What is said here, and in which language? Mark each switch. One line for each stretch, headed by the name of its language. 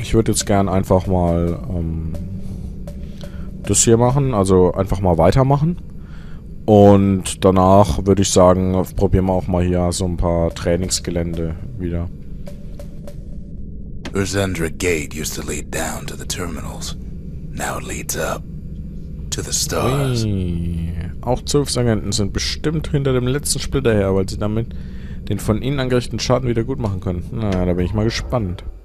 German: Ich würde jetzt gern einfach mal das hier machen, also einfach mal weitermachen. Und danach würde ich sagen, probieren wir auch mal hier so ein paar Trainingsgelände wieder.
English: Urzendra Gate used to lead down to the terminals. Now it leads up to the stars. Hey.
German: Auch Zwölfsagenten sind bestimmt hinter dem letzten Splitter her, weil sie damit den von ihnen angerichteten Schaden wieder gut machen können. Na, da bin ich mal gespannt.